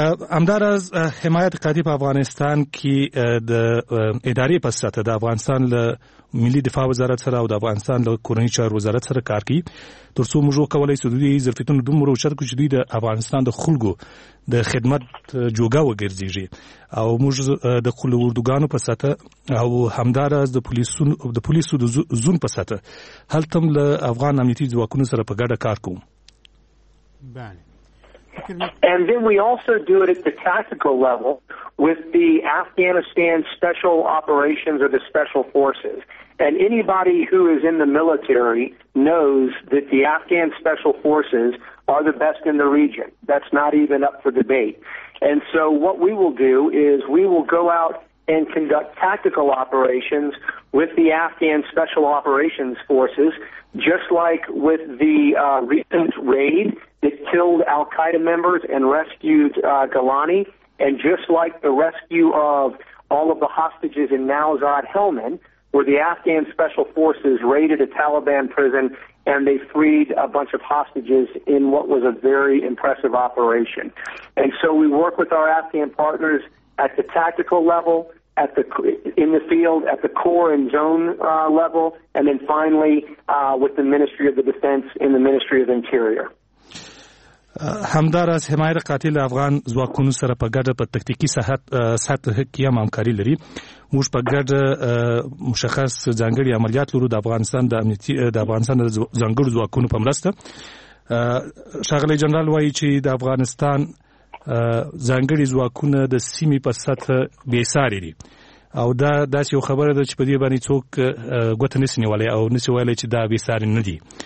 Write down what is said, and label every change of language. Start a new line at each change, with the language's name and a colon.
Pashto: همدار از حمایت قاطع په افغانستان کې د ادارې په سطح د افغانستان له ملي دفاع وزارت سره او د افغانستان له کورنۍ چارو وزارت سره کار کوي تر څو موږ وکولای شو د دوی ظرفیتونه دومره اوچت کړو چې دوی د افغانستان د خلکو د خدمت جوګه وګرځېږي، او موږ د قلو اردوګانو په سطح او همدار از د پولیسو د زون په سطح هلته هم له افغان امنیتي ځواکونو سره په ګډه کار کوو. بله.
English: And then we also do it at the tactical level with the Afghanistan Special Operations or the Special Forces. And anybody who is in the military knows that the Afghan Special Forces are the best in the region. That's not even up for debate. And so what we will do is we will go out and conduct tactical operations with the Afghan Special Operations Forces, just like with the recent raid that killed al-Qaeda members and rescued Gilani, and just like the rescue of all of the hostages in Nowzad Helmand, where the Afghan Special Forces raided a Taliban prison and they freed a bunch of hostages in what was a very impressive operation. And so we work with our Afghan partners at the tactical level, at the in the field, at the core and zone level, and then finally with the Ministry of the Defense and the Ministry of Interior.
Pashto: همدار از حمایت قاتل افغان ځواکونو سره په ګډه په تکتیکی سطح کې هم همکاري لري. موږ په ګډه مشخص ځانګړي عملیات لرو د افغانستان د ځانګړو ځواکونو په مرسته. ښاغلی جنرال وایي چې د افغانستان ځانګړي ځواکونه د سیمې په سطح بېساري دي، او دا داسې یو خبره ده چې په دې باندې څوک ګوته نسي نیولی او نسي ویلی چې دا بېساري نه دي.